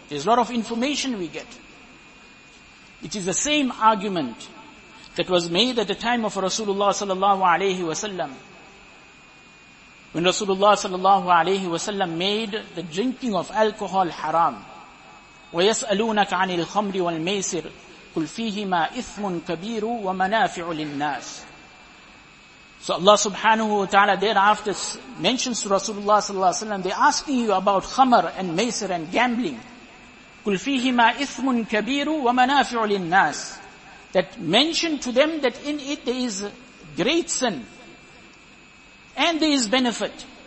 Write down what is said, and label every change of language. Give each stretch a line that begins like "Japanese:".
English: There's a lot of information we get. It is the same argument that was made at the time of Rasulullah sallallahu alaihi wasallam, when Rasulullah sallallahu alaihi wasallam made the drinking of alcohol haram.
Arabic: ويسألونك عن الخمر والميسر قل فيهما إثم كبير ومنافع للناس.
English: So Allah subhanahu wa ta'ala thereafter mentions to Rasulullah sallallahu alayhi wa sallam, they're asking you about khamar and maisir and gambling.
Arabic: قُلْ فِيهِمَا إِثْمٌ كَبِيرٌ وَمَنَافِعُ لِلنَّاسِ.
English: That mention to them that in it there is great sin and there is benefit.